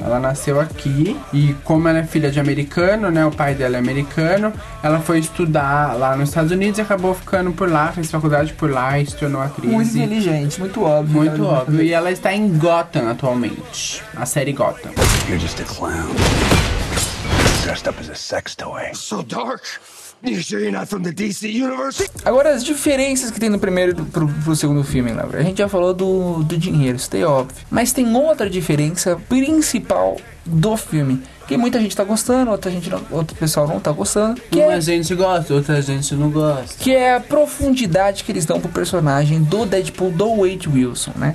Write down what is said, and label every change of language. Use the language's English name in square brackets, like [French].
[Portuguese] Ela nasceu aqui e, como ela é filha de americano, né, o pai dela é americano, ela foi estudar lá nos Estados Unidos e acabou ficando por lá, fez faculdade por lá e se tornou atriz. Muito inteligente, muito óbvio. Muito óbvio. E ela está em Gotham atualmente, a série Gotham. [English] You're just a clown. Dressed up as a sex toy. So dark. You sure you're not from the DC Universe? [Portuguese] Agora, as diferenças que tem no primeiro pro segundo filme, né? A gente já falou do dinheiro, isso é óbvio. Mas tem outra diferença principal do filme, que muita gente tá gostando, outro pessoal não tá gostando. Uma gente gosta, outra gente não gosta. Que é a profundidade que eles dão pro personagem do Deadpool, do Wade Wilson, né?